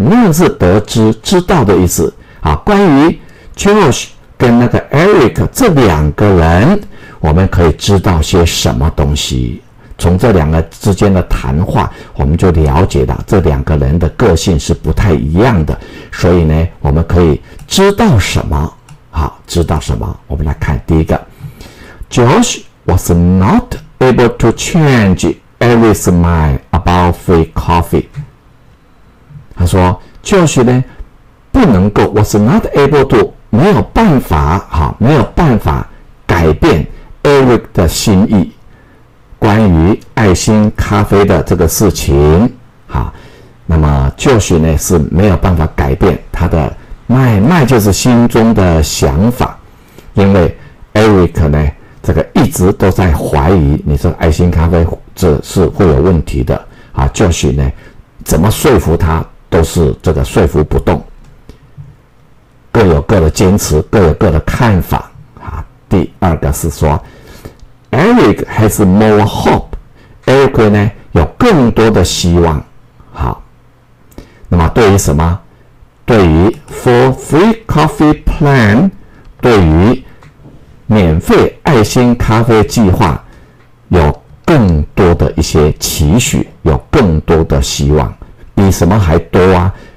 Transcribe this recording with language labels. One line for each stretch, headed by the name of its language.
Chinese: 那是得知知道的意思。好，关于 Josh 跟那个 Eric 这两个人，我们可以知道些什么东西？从这两个之间的谈话，我们就了解到这两个人的个性是不太一样的，所以呢，我们可以知道什么？好，知道什么？我们来看第一个
English: ，Josh was not able to change Eric's mind about free coffee。
Chinese: 他说 ，Josh 呢，不能够 ，
English: was not able to，
Chinese: 没有办法，好，没有办法改变 Eric 的心意。关于爱心咖啡的这个事情，好，那么就是呢是没有办法改变他的卖就是心中的想法，因为 Eric 呢这个一直都在怀疑你说爱心咖啡这是会有问题的，好，就是呢怎么说服他都是这个说服不动，各有各的坚持，各有各的看法。好，第二个是说
English: Eric has more hope.
Chinese: Eric 呢有更多的希望。好，那么对于什么？对于
English: for free coffee plan，
Chinese: 对于免费爱心咖啡计划，有更多的一些期许，有更多的希望，比什么还多啊？